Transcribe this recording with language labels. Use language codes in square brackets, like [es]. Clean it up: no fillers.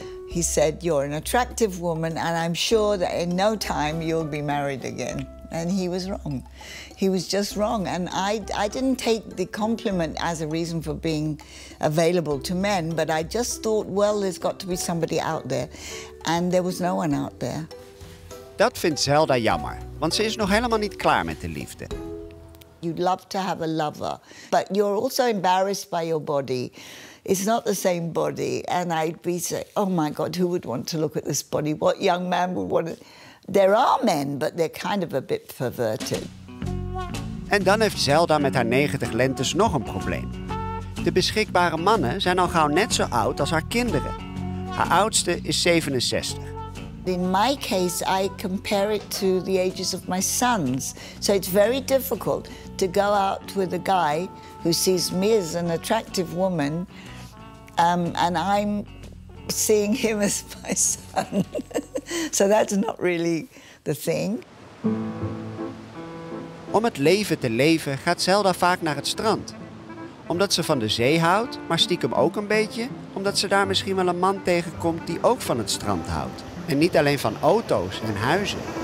[en] He said, you're an attractive woman and I'm sure that in no time you'll be married again. And he was wrong. He was just wrong. And I didn't take the compliment as a reason for being available to men, but I just thought, well, there's got to be somebody out there. And there was no one out there. [nl] Dat vindt Zelda jammer, want ze is nog helemaal niet klaar met de liefde. [en] You'd love to have a lover, but you're also embarrassed by your body. It's not the same body. And I'd be saying, oh my God, who would want to look at this body? What young man would want to? There are men, but they're kind of a bit perverted. [nl] En dan heeft Zelda met haar 90 lentes nog een probleem. De beschikbare mannen zijn al gauw net zo oud als haar kinderen. Haar oudste is 67. [en] In my case, I compare it to the ages of my sons. So it's very difficult to go out with a guy who sees me as an attractive woman, and I'm seeing him as my son. So that's not really the thing. [nl] Om het leven te leven gaat Zelda vaak naar het strand. Omdat ze van de zee houdt, maar stiekem ook een beetje, omdat ze daar misschien wel een man tegenkomt die ook van het strand houdt. En niet alleen van auto's en huizen.